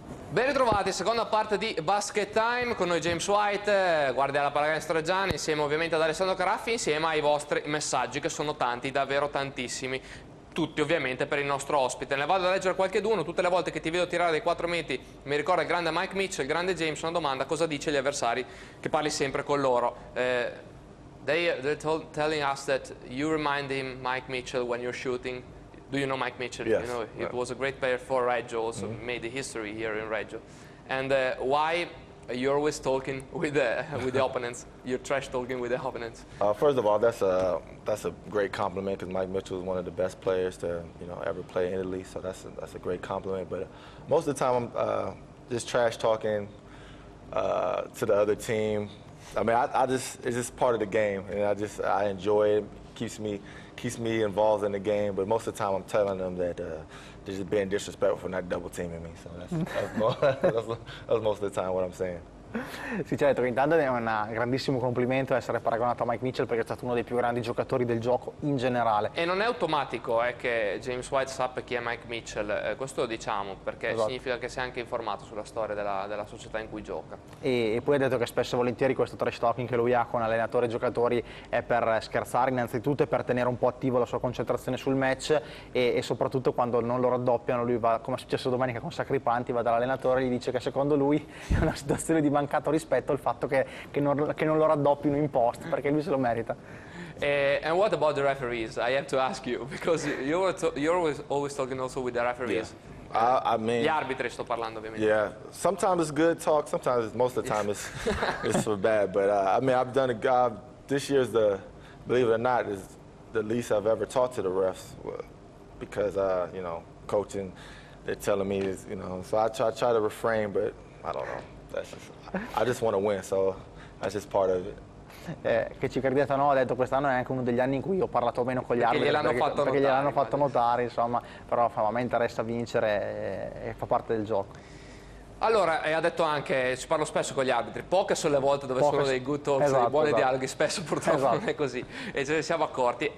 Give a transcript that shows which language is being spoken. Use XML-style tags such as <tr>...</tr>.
<it>Ben ritrovati, seconda parte di Basket Time, con noi James White, guardia della pallacanestro Gianni, insieme ovviamente ad Alessandro Caraffi, insieme ai vostri messaggi che sono tanti, davvero tantissimi, tutti ovviamente per il nostro ospite. Ne vado a leggere qualche d'uno. Tutte le volte che ti vedo tirare dei 4 metri mi ricorda il grande Mike Mitchell, il grande James, una domanda: cosa dice gli avversari che parli sempre con loro?</it> <en>They're telling us that you remind him Mike Mitchell when you're shooting. Do you know Mike Mitchell? Yes. You know, it was a great player for Reggio, also made the history here in Reggio. And why are you always talking with the opponents? You're trash talking with the opponents. First of all, that's a great compliment, because Mike Mitchell is one of the best players to, you know, ever play in Italy. So that's a great compliment. But most of the time, I'm just trash talking to the other team. I mean, it's just part of the game, and I enjoy it. Keeps me involved in the game, but most of the time I'm telling them that they're just being disrespectful for not double teaming me. So that's most of the time what I'm saying.</en> <it>Sì, certo, intanto è un grandissimo complimento essere paragonato a Mike Mitchell, perché è stato uno dei più grandi giocatori del gioco in generale. E non è automatico che James White sappia chi è Mike Mitchell, questo lo diciamo, perché esatto, significa che sei anche informato sulla storia della società in cui gioca. E poi ha detto che spesso e volentieri questo trash talking che lui ha con allenatori e giocatori è per scherzare innanzitutto e per tenere un po' attivo la sua concentrazione sul match, e soprattutto quando non lo raddoppiano, lui va, come è successo domenica con Sacripanti, va dall'allenatore e gli dice che secondo lui è una situazione di mancato rispetto il fatto che non lo raddoppino in post, perché lui se lo merita.</it> <en>And what about the referees? I have to ask you, because you're always talking also with the referees. Yeah. I mean</en> <it>gli arbitri, sto parlando ovviamente.</it> <en>Yeah, sometimes it's good talk, sometimes most of the time it's for bad, but this year's the, believe it or not, is the least I've ever talked to the refs, because coaching they're telling me is, you know, so I try to refrain, but I don't know. That's just, I just want to win, so that's just part of it.</en> <it>Che ci credete o no, ho detto quest'anno è anche uno degli anni in cui ho parlato meno con gli arbitri perché gliel'hanno fatto notare, insomma, però a me interessa vincere e fa parte del gioco. Allora, e ha detto anche, ci parlo spesso con gli arbitri, poche sono le volte dove sono dei</it> <en>good talks,</en> <it>dei buoni dialoghi, spesso purtroppo non è così e ce ne siamo accorti.</it>